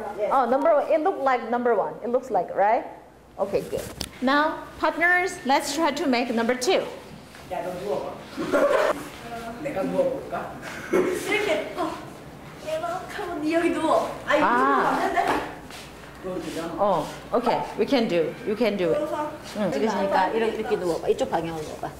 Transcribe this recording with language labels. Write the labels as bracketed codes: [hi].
[en] Oh, number one. It looks like number one. It looks like, right? Okay, good. Now, partners, let's try to make number two. [ko] 야, 너 누워봐. 내가 누워볼까? 이렇게. 이렇게 하면 니 여기 누워. 아, 이거 누워봐. [en] 어, okay, we can do, you can do it. [ko] 찍으시니까 이렇게 누워봐, 이쪽 방향으로 누워봐.